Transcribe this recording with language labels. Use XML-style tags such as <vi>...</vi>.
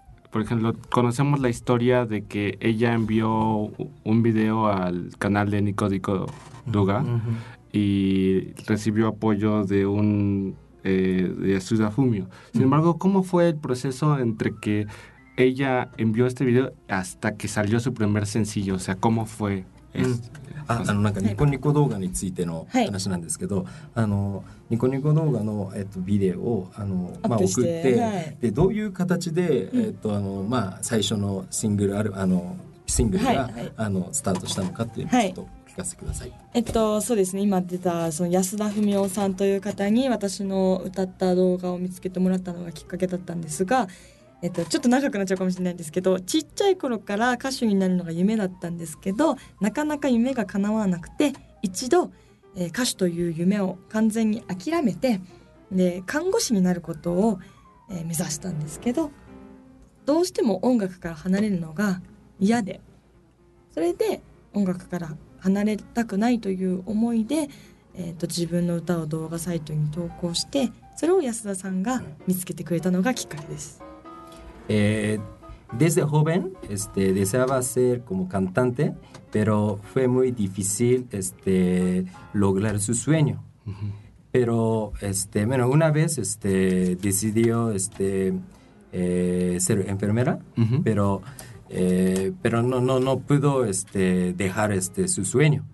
<es>Por ejemplo, conocemos la historia de que ella envió un video al canal de Nicodico Duga y recibió apoyo de un de Suda Fumio. Sin embargo, ¿cómo fue el proceso entre que ella envió este video hasta que salió su primer sencillo? O sea, ¿cómo fue</es> <ja>Nikoniko Douga についての話なんですけど、Nikoniko Douga の、ビデオを送って、でどういう形で、最初のシングルシングルが、スタートしたのかっていうのをちょっと聞かせてください。そうですね、今出たその安田文雄さんという方に私の歌った動画を見つけてもらったのがきっかけだったんですが、ちょっと長くなっちゃうかもしれないんですけど、ちっちゃい頃から歌手になるのが夢だったんですけど、なかなか夢が叶わなくて、一度、歌手という夢を完全に諦めて、で看護師になることを、目指したんですけど、どうしても音楽から離れるのが嫌で、それで音楽から離れたくないという思いで、自分の歌を動画サイトに投稿して、それを安田さんが見つけてくれたのがきっかけです。</ja> <es>Desde joven deseaba ser como cantante, pero fue muy difícil lograr su sueño. Pero una vez decidió ser enfermera, pero no pudo dejar su sueño.</es>